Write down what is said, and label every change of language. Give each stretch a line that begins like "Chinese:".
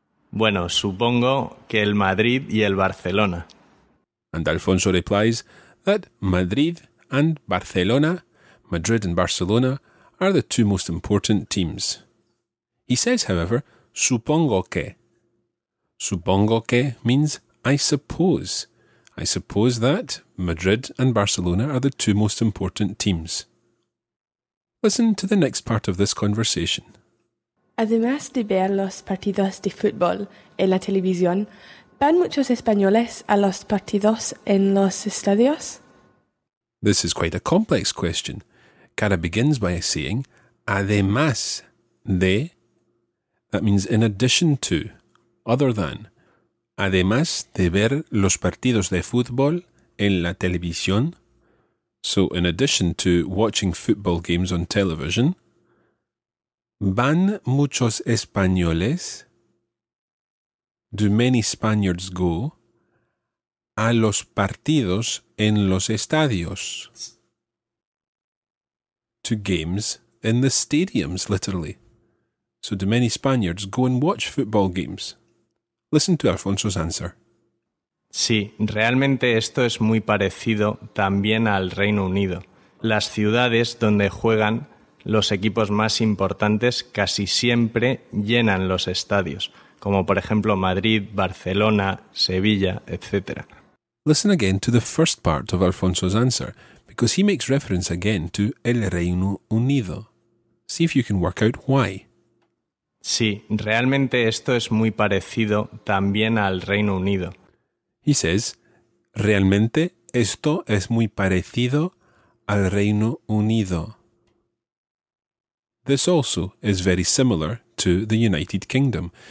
Spanish: Bueno, supongo que el Madrid y el Barcelona.
English: And Alfonso replies that Madrid and Barcelona are the two most important teams. He says, however,
Spanish: supongo que
English: means I suppose that Madrid and Barcelona are the two most important teams. Listen to the next part of this conversation.
Spanish: Además de ver los partidos de fútbol en la televisión, ¿van muchos españoles a los partidos en los estadios?
English: This is quite a complex question. Cara begins by saying,
Spanish: además de,
English: that means in addition to, other than.
Spanish: Además de ver los partidos de fútbol en la televisión.
English: So, in addition to watching football games on television,
Spanish: ¿van muchos españoles?
English: Do many Spaniards go
Spanish: a los partidos en los estadios?
English: To games in the stadiums, literally. So, do many Spaniards go and watch football games? Listen to Alfonso's answer.
Spanish: Sí, realmente esto es muy parecido también al Reino Unido. Las ciudades donde juegan los equipos más importantes casi siempre llenan los estadios, como por ejemplo Madrid, Barcelona, Sevilla, etc.
English: Listen again to the first part of Alfonso's answer, because he makes reference again to el Reino Unido. See if you can work out why.
Spanish: Sí, realmente esto es muy parecido también al Reino Unido.
English: He says,
Spanish: realmente esto es muy parecido al Reino Unido.
English: This also is very similar to the United Kingdom.